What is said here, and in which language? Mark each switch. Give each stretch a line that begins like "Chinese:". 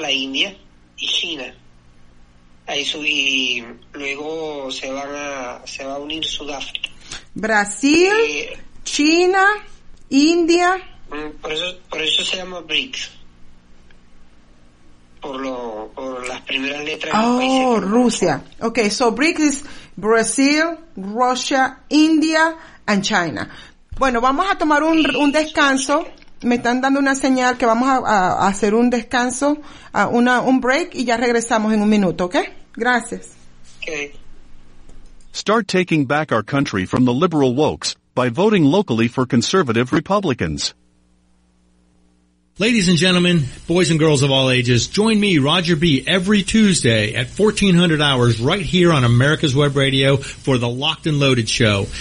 Spanish: La India y China. Ahí subí, luego se va a unir Sudáfrica. Brasil, China, India. Por eso se llama BRICS, por las primeras letras. Oh, de Rusia.
English: Okay, so BRICS is Brazil, Russia, India and China.
Spanish: Bueno, vamos a tomar un descanso. Me están dando una señal que vamos a hacer un descanso, un break, y ya regresamos en un minuto, ¿ok? Gracias.
English: Okay. Start taking back our country from the liberal wokes by voting locally for conservative Republicans. Ladies and gentlemen, boys and girls of all ages, join me, Roger B., every Tuesday at 1400 hours right here on America's Web Radio for the Locked and Loaded show.